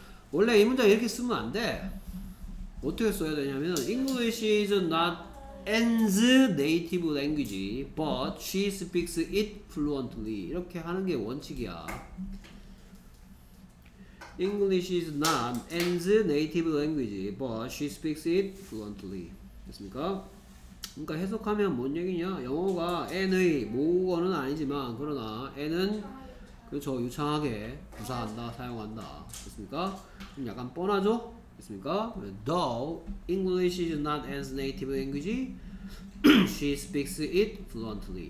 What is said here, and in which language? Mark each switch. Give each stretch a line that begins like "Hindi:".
Korean: 원래 이 문장 이렇게 쓰면 안 돼. 어떻게 써야 되냐면
English: English is not Anne's native language, but she speaks it fluently.
Korean: 이렇게 하는 게 원칙이야.
English: English is not Anne's native language, but she speaks it fluently.
Korean: 됐습니까? 그러니까 해석하면 뭔 얘기냐? 영어가 N의 모국어는 아니지만 그러나 N은 그렇죠 유창하게 구사한다, 사용한다, 그렇습니까? 좀 약간 뻔하죠, 그렇습니까?
English: Though English is not as native language, she speaks it fluently.